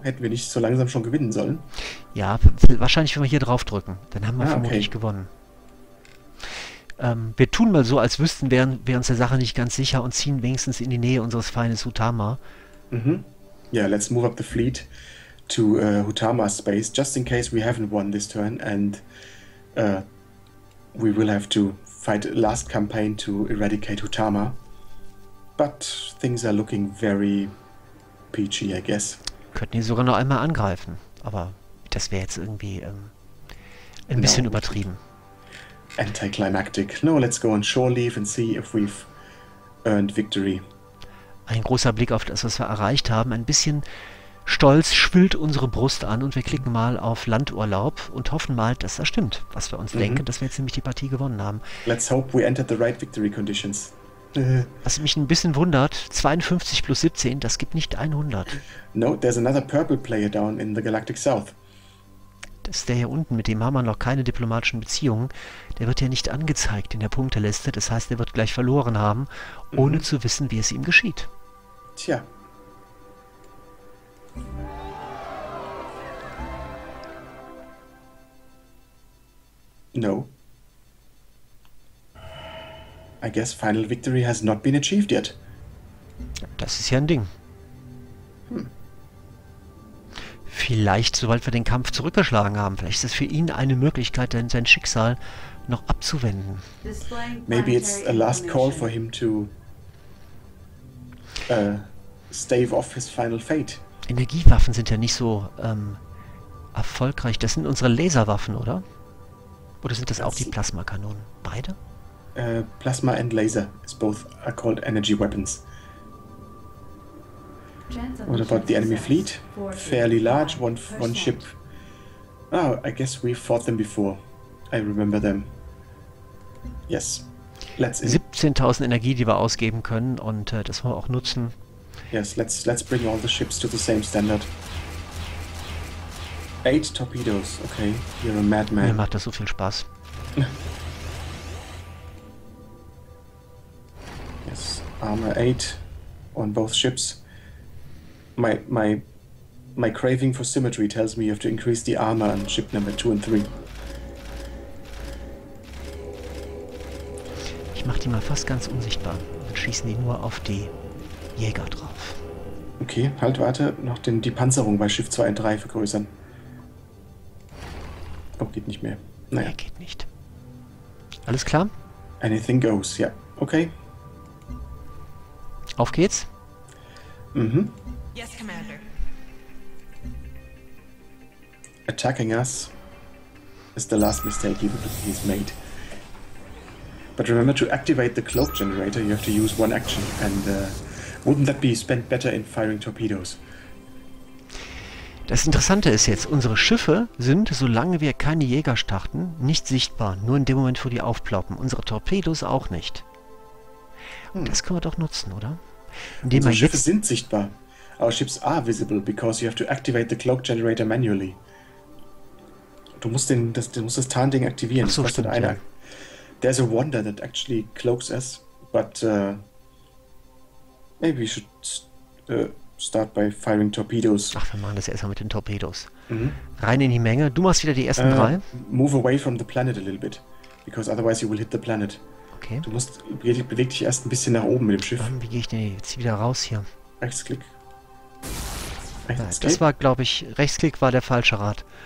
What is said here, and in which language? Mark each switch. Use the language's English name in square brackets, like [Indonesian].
[German] Hätten wir nicht so langsam schon gewinnen sollen? Ja, wahrscheinlich, wenn wir hier drauf drücken. Dann haben wir vermutlich gewonnen. Wir tun mal so, als wären wir uns der Sache nicht ganz sicher und ziehen wenigstens in die Nähe unseres Feindes Utama. [English] Yeah, let's move up the fleet to Hutama's space, just in case we haven't won this turn and we will have to fight last campaign to eradicate Hutama. But things are looking very peachy, I guess. [German] Könnten die sogar noch einmal angreifen, aber das wäre jetzt irgendwie ein bisschen no. übertrieben. [English] Anticlimactic. No, let's go on shore leave and see if we've earned victory. [German] Ein großer Blick auf das, was wir erreicht haben. Ein bisschen Stolz schwillt unsere Brust an und wir klicken mal auf Landurlaub und hoffen mal, dass das stimmt, was wir uns denken, dass wir jetzt nämlich die Partie gewonnen haben. [English] Let's hope we entered the right victory conditions. [German] Was mich ein bisschen wundert, 52 plus 17, das gibt nicht 100. [English] No, there's another purple player down in the Galactic South. [German] Das ist der hier unten, mit dem haben wir noch keine diplomatischen Beziehungen. Der wird ja nicht angezeigt in der Punkteliste, das heißt, er wird gleich verloren haben, ohne zu wissen, wie es ihm geschieht. Tja. [English] No. I guess final victory has not been achieved yet. [German] Das ist ja ein Ding. Vielleicht, sobald wir den Kampf zurückgeschlagen haben, vielleicht ist es für ihn eine Möglichkeit, sein Schicksal noch abzuwenden. [English] Maybe it's a last call for him to stave off his final fate. [German] Energiewaffen sind ja nicht so erfolgreich. Das sind unsere Laserwaffen, oder? Oder sind das auch die Plasmakanonen? Beide? [English] Plasma and laser is both are called energy weapons. What about the enemy fleet? Fairly large, one ship. Oh, I guess we fought them before. I remember them. Yes. Let's. [German] 17.000 Energie, die wir ausgeben können, und das wollen wir auch nutzen. [English] Yes, let's bring all the ships to the same standard. 8 torpedoes. Okay, you're a madman. [German] Mir macht das so viel Spaß. [English] Yes, armor 8 on both ships. My craving for symmetry tells me you have to increase the armor on ship number 2 and 3. [German] Ich mach die mal fast ganz unsichtbar und schießen die nur auf die Jäger drauf. Okay, halt, warte, noch die Panzerung bei Schiff 2 und 3 vergrößern. Oh, geht nicht mehr. Naja. Nee, geht nicht. Alles klar? [English] Anything goes, ja. Yeah. Okay. [German] Auf geht's. [English] Mhm. Yes, Commander. Attacking us is the last mistake he's made. But remember to activate the cloak generator, you have to use one action and wouldn't that be spent better in firing torpedoes? [German] Das Interessante ist jetzt, unsere Schiffe sind, solange wir keine Jäger starten, nicht sichtbar. Nur in dem Moment, wo die aufploppen. Unsere Torpedos auch nicht. Und das können wir doch nutzen, oder? Indem unsere Schiffe sind sichtbar. [English] Our ships are visible, because you have to activate the cloak generator manually. [German] Du musst das Tarnding aktivieren. Ach so, stimmt, einer. Ja. [English] There's a wonder that actually cloaks us, but maybe we should start by firing torpedoes. [German] Ach, wir machen das erstmal mit den Torpedos. Mhm. Rein in die Menge. Du machst wieder die ersten drei. [English] Move away from the planet a little bit, because otherwise you will hit the planet. Okay. [German] Du musst, beweg dich erst ein bisschen nach oben mit dem Schiff. Wie gehe ich denn jetzt wieder raus hier? Rechtsklick. Das war, glaube ich, Rechtsklick war der falsche Rat.